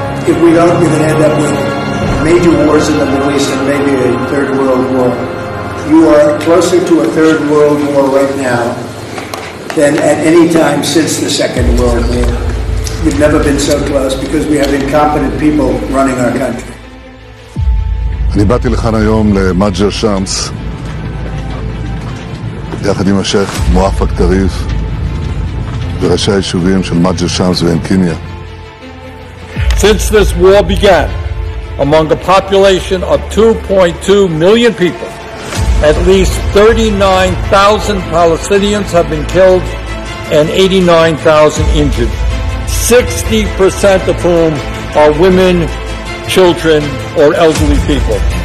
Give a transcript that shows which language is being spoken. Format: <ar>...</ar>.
<en>If we don't, we're going to end up with major wars in the Middle East and maybe a third world war. You are closer to a third world war right now than at any time since the Second World War. You've never been so close because we have incompetent people running our country.</en> <he>אני באתי לכאן היום למג'ר שמס יחד עם השייך מואפק קריף וראשי היישובים של מג'ר שמס ועין קיניה.</he> <en>Since this war began, among a population of 2.2 million people, at least 39,000 Palestinians have been killed and 89,000 injured, 60% of whom are women, children, or elderly people.</en>